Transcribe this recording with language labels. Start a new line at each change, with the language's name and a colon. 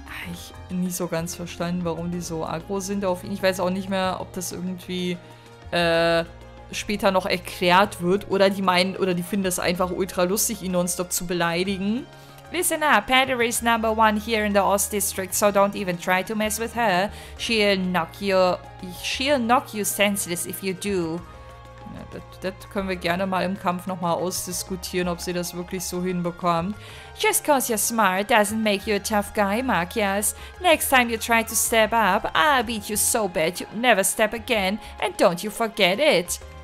German: Ich bin nicht so ganz verstanden, warum die so aggro sind auf ihn. Ich weiß auch nicht mehr, ob das irgendwie später noch erklärt wird. Oder die finden das einfach ultra lustig, ihn nonstop zu beleidigen.
English: Listen up, Pater is number one here in the Oz District, so don't even try to mess with her. She'll knock you senseless if you do.
German: Ja, das können wir gerne mal im Kampf nochmal ausdiskutieren, ob sie das wirklich so hinbekommt.
English: Just cause you're smart doesn't make you a tough guy, Marcus. Next time you try to step up, I'll beat you so bad you never step again, and don't you forget it.